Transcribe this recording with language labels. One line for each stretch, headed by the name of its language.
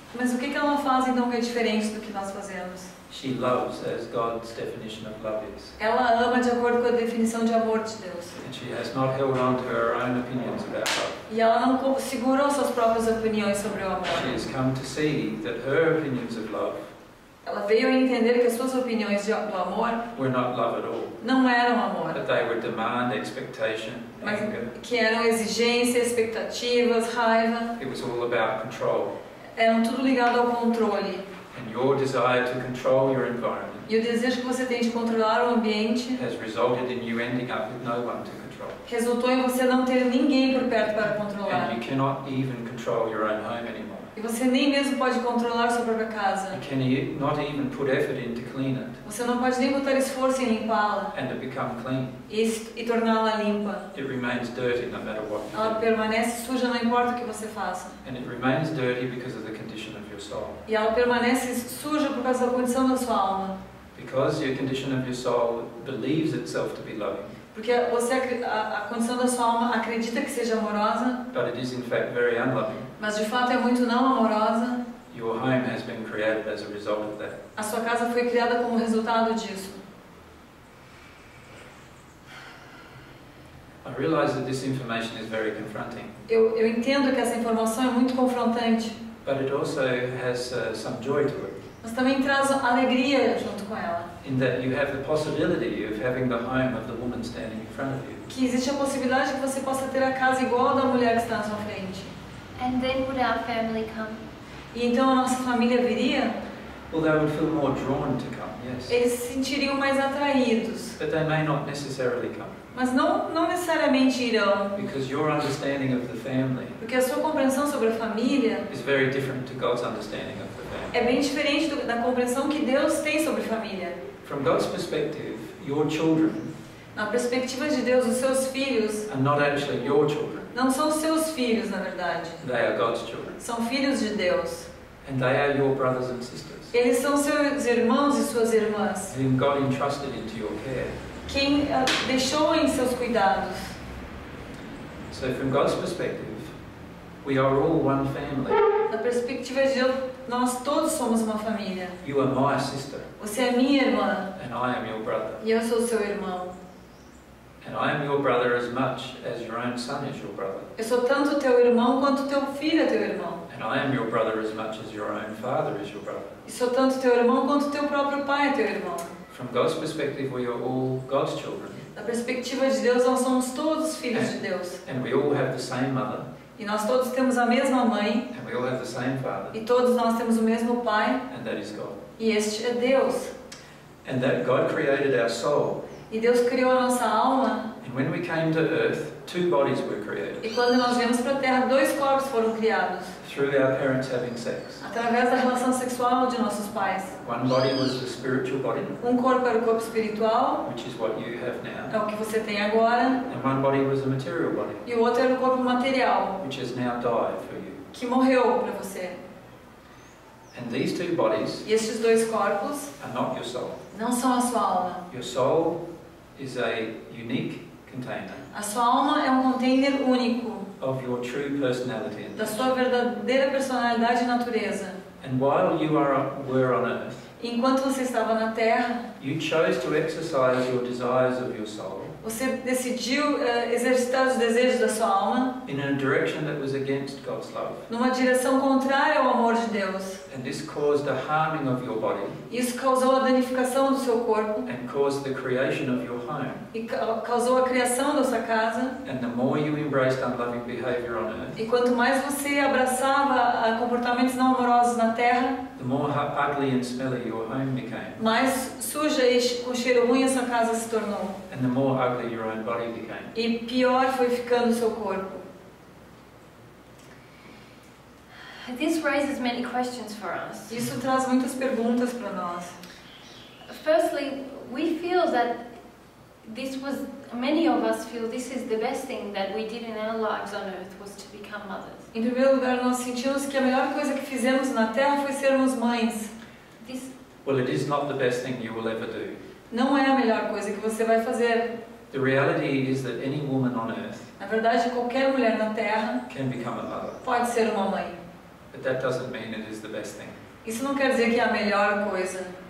Portuguese: Mas o que ela faz então que é diferente do que nós fazemos?
English: She loves as God's definition of love is.
Portuguese: Ela ama de acordo com a definição de amor de Deus.
English: And she has not held on to her own opinions about love.
Portuguese: E ela não segurou suas próprias opiniões sobre o amor.
English: She has come to see that her opinions of love,
Portuguese: ela veio a entender que as suas opiniões do amor,
English: were not love at all.
Portuguese: Não eram amor.
English: That they were demand, expectation,
Portuguese: mas
English: anger.
Portuguese: Que eram exigências, expectativas, raiva.
English: It was all about control.
Portuguese: Eram tudo ligado ao controle.
English: And your desire to control your environment,
Portuguese: e o desejo que você tem de controlar o ambiente,
English: has resulted in you ending up with no one to control.
Portuguese: Resultou em você não ter ninguém por perto para controlar.
English: And you cannot even control your own home anymore.
Portuguese: E você nem mesmo pode controlar sua própria casa.
English: You can not even put effort in to clean it.
Portuguese: Você não pode nem botar esforço em limpá-la.
English: And to become clean.
Portuguese: E torná-la limpa.
English: It remains dirty no matter what you
Portuguese: ela
English: do.
Portuguese: Permanece suja, não importa o que você faça.
English: And it remains dirty because of the condition of your soul.
Portuguese: E ela permanece suja por causa da condição da sua alma.
English: Because your condition of your soul believes itself to be loving.
Portuguese: Porque você, a condição da sua alma acredita que seja amorosa.
English: But it is in fact very unloving.
Portuguese: Mas de fato é muito não amorosa.
English: Your home has been created as a result of that.
Portuguese: A sua casa foi criada como resultado disso.
English: I realize that this information is very confronting.
Portuguese: Eu entendo que essa informação é muito confrontante.
English: But it also has some joy to it.
Portuguese: Mas também traz alegria junto com ela.
English: In that you have the possibility of having the home of the woman standing in front of you.
Portuguese: Que existe a possibilidade que você possa ter a casa igual da mulher que está na sua frente.
English: And then would our family come?
Portuguese: E então a nossa família viria?
English: Well, they would feel more drawn to come, yes.
Portuguese: Eles se sentiriam mais atraídos.
English: But they may not necessarily come.
Portuguese: Mas não necessariamente irão.
English: Because your understanding of the family.
Portuguese: Porque a sua compreensão sobre a família.
English: Is very different to God's understanding of the family.
Portuguese: É bem diferente da compreensão que Deus tem sobre a família.
English: From God's perspective, your children.
Portuguese: Na perspectiva de Deus, os seus filhos.
English: Are not actually your children.
Portuguese: Não são seus filhos, na verdade.
English: They are God's children.
Portuguese: São filhos de Deus.
English: And they are your brothers and sisters.
Portuguese: Eles são seus irmãos e suas irmãs.
English: Whom God entrusted into your care.
Portuguese: Quem deixou em seus cuidados.
English: So from God's perspective, we are all one family.
Portuguese: Da perspectiva de Deus, nós todos somos uma família.
English: You are my sister.
Portuguese: Você é minha irmã.
English: And I am your brother.
Portuguese: E eu sou seu irmão.
English: And I am your brother as much as your own son is your brother.
Portuguese: Eu sou tanto teu irmão quanto teu filho é teu irmão.
English: And I am your brother as much as your own father is your brother.
Portuguese: E sou tanto teu irmão quanto teu próprio pai é teu irmão.
English: From God's perspective, we are all God's children.
Portuguese: Da perspectiva de Deus, nós somos todos filhos de Deus.
English: And we all have the same mother.
Portuguese: E nós todos temos a mesma mãe.
English: And we all have the same father.
Portuguese: E todos nós temos o mesmo pai.
English: And that is God.
Portuguese: E este é Deus.
English: And that God created our soul.
Portuguese: E Deus criou a nossa alma.
English: And when we came to earth, two bodies were created.
Portuguese: E quando nós viemos para a Terra, dois corpos foram criados.
English: Through our parents having sex.
Portuguese: Através da relação sexual de nossos pais.
English: One body was the spiritual body.
Portuguese: Um corpo era o corpo espiritual.
English: Which is what you have now.
Portuguese: É o que você tem agora.
English: And one body was a material body.
Portuguese: E o outro era o corpo material.
English: Which has now died for you.
Portuguese: Que morreu para você.
English: And these two bodies.
Portuguese: E esses dois corpos.
English: Are not your soul.
Portuguese: Não são a sua alma.
English: Your soul is a unique container.
Portuguese: A sua alma é um container único.
English: Of your true personality.
Portuguese: Da sua verdadeira personalidade e natureza.
English: And while you were on earth.
Portuguese: Enquanto você estava na Terra.
English: You chose to exercise your desires of your soul.
Portuguese: Você decidiu exercitar os desejos da sua alma.
English: In a direction that was against God's love.
Portuguese: Numa direção contrária ao amor de Deus.
English: And this caused a harming of your body.
Portuguese: Isso causou a danificação do seu corpo.
English: And caused the creation of your home.
Portuguese: E causou a criação da sua casa.
English: And the more you embraced unloving behavior on earth.
Portuguese: E quanto mais você abraçava comportamentos não amorosos na Terra.
English: The more ugly and smelly your home became.
Portuguese: Mais suja e com cheiro ruim a sua casa se tornou.
English: And the more ugly your own body became.
Portuguese: E pior foi ficando o seu corpo.
English: This raises many questions for us.
Portuguese: Isso traz muitas perguntas para nós.
English: Firstly, we feel that this was, many of us feel this is the best thing that we did in our lives on earth was to become mothers.
Portuguese: Em primeiro lugar, nós sentimos que a melhor coisa que fizemos na Terra foi sermos mães.
English: This, well, it is not the best thing you will ever do.
Portuguese: Não é a melhor coisa que você vai fazer.
English: The reality is that any woman on earth.
Portuguese: Na verdade, qualquer mulher na Terra.
English: Can become a mother.
Portuguese: Pode ser uma mãe.
English: But that doesn't mean it is the best thing.
Portuguese: Isso não quer dizer que é a melhor coisa.